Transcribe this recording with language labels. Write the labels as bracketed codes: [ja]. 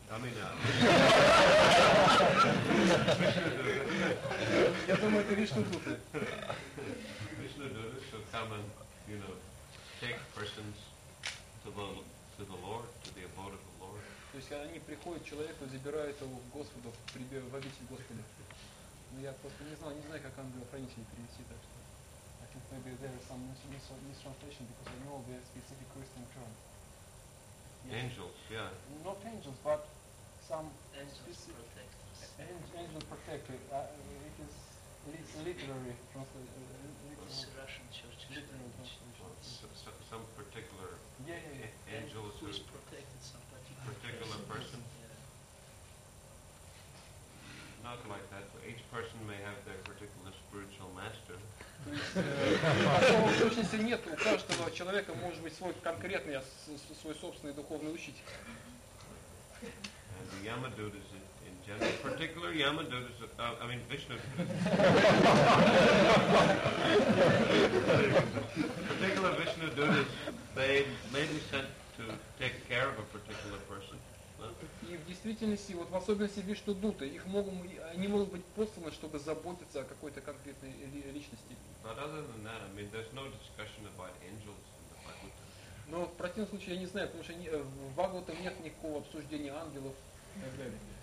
[en] I mean, Krishna Duta shall come and, you know, take persons to the Lord, to the abode of the Lord. [ru] То есть они приходят к человеку, забирают его в Господу, в обитель Господа. Но я просто не знаю, как ангелохранителей перенести, так что. [en] I think maybe there is some mistranslation because I know the specific Christian term. Yes. Angels, yeah. Not angels, but some angels protectors. Angel protector. It is literary translation. Some particular angel who is protected, some particular person. Yeah. Not like that. So each person may have their particular spiritual master. [ru] Особой сущности нет, у каждого человека может быть свой конкретный, свой собственный духовный учитель. [en] Вишну. Particular Vishnu Dutas, they may be sent to take care of a particular person. [ru] И в действительности, вот в особенности Вишну Дуты, их могут, они могут быть посланы, чтобы заботиться о какой-то конкретной личности. [en] But other than that, I mean, there's no discussion about angels in the Bhagavatam. [ru] Но в противном случае я не знаю, потому что в Бхагаватам нет никакого обсуждения ангелов и так далее.